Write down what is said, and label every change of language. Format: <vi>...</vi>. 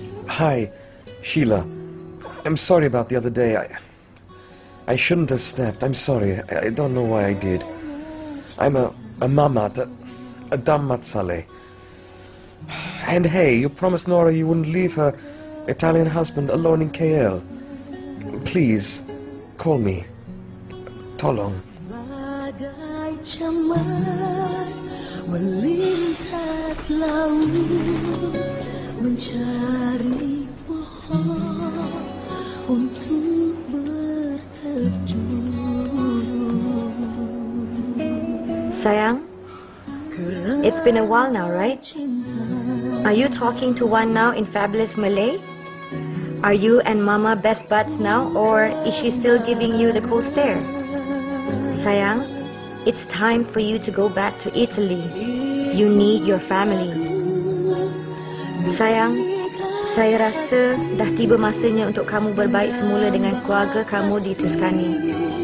<en>Hi, Sheila. I'm sorry about the other day. I shouldn't have snapped. I'm sorry. I don't know why I did. I'm a mama. Adam Matsale. And hey, you promised Nora you wouldn't leave her Italian husband alone in KL. Please, call me.</en> <ms>Tolong. Bagai cemar melintas laut mencari pohon untuk berteduh.</ms> <en>Sayang, it's been a while now, right? Are you talking to one now in fabulous Malay? Are you and Mama best buds now, or is she still giving you the cold stare? Sayang, it's time for you to go back to Italy. You need your family. Sayang,</en> <ms>Saya rasa dah tiba masanya untuk kamu berbaik semula dengan keluarga kamu di Tuscany.</ms>